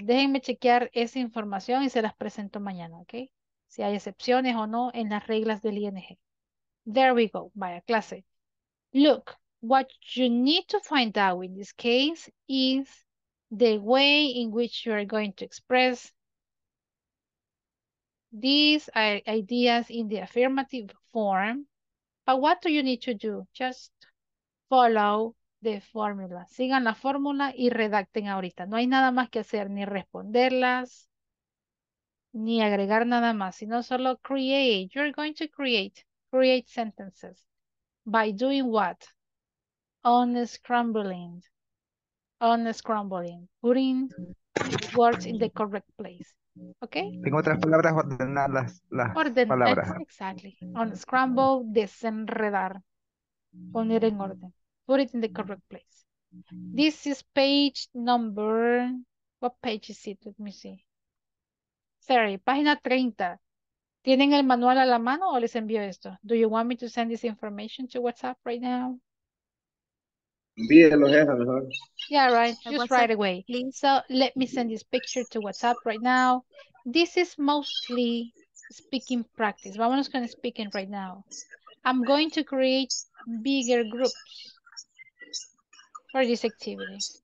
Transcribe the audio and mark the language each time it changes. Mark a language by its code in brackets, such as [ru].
[es] Déjenme chequear esa información y se las presento mañana, ¿ok? Si hay excepciones o no en las reglas del ing. [en] There we go, [es] vaya clase. [en] Look, what you need to find out in this case is the way in which you are going to express these ideas in the affirmative form. But what do you need to do? Just follow the formula. [es] Sigan la fórmula y redacten ahorita. No hay nada más que hacer, ni responderlas, ni agregar nada más, sino solo create. [en] You're going to create. Create sentences. By doing what? Unscrambling. Putting words in the correct place. Okay? [es] En otras palabras, ordenar las palabras. [en] Exactly. [es] Unscramble, desenredar. Poner en orden. [en] Put it in the correct place. This is page number. What page is it? Let me see. Sorry, [es] página 30. ¿Tienen el manual a la mano o les envío esto? [en] Do you want me to send this information to WhatsApp right now? [es] Envíelo, mejor. [en] Yeah, right. Just WhatsApp, right away. Please. So let me send this picture to WhatsApp right now. This is mostly speaking practice. [es] Vámonos con [en] speaking right now. I'm going to create bigger groups for this activity.